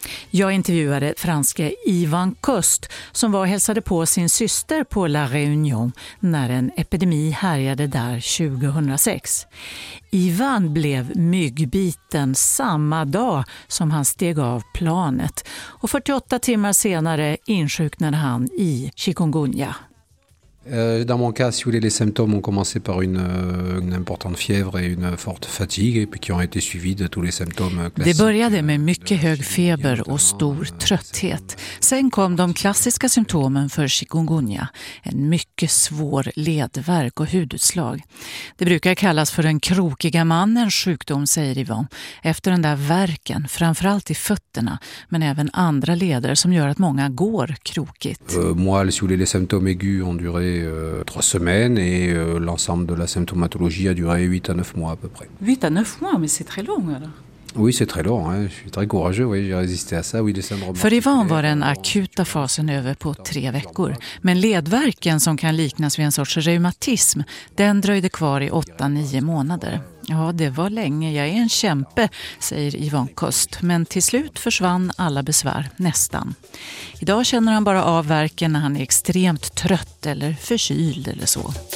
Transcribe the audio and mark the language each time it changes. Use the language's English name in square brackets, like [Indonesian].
[Swedish] Jag intervjuade franske Ivan Kust som var hälsade på sin syster på La Réunion när en epidemi härjade där 2006. Ivan blev myggbiten samma dag som han steg av planet och 48 timmar senare insjuknade han i chikungunya. [French] Dans mon cas, si vous voulez, les symptômes ont commencé par une importante fièvre et une forte fatigue et puis qui ont été suivis de tous les symptômes classiques. [Swedish] Det började med mycket hög feber och stor trötthet. Sen kom de klassiska symptomen för chikungunya, en mycket svår ledvärk och hudutslag. Det brukar kallas för den krokiga mannens sjukdom, säger Ivan. Efter den där värken, framförallt i fötterna, men även andra leder som gör att många går krokigt. [French] Moi, si vous voulez, les symptômes aigus ont duré 3 semaines et l'ensemble de la symptomatologie a duré 8 à 9 mois à peu près. 8 à 9 mois, mais c'est très long alors. Oui, c'est très long hein. Je suis très courageux, oui, j'ai résisté à ça, oui, les syndromes. [Swedish] För Ivan var den akuta fasen över på 3 veckor, men ledvärken som kan liknas vid en sorts reumatism, den dröjde kvar i 8-9 månader. Ja, det var länge. Jag är en kämpe, säger Ivan Kust. Men till slut försvann alla besvär, nästan. Idag känner han bara av värken när han är extremt trött eller förkyld eller så.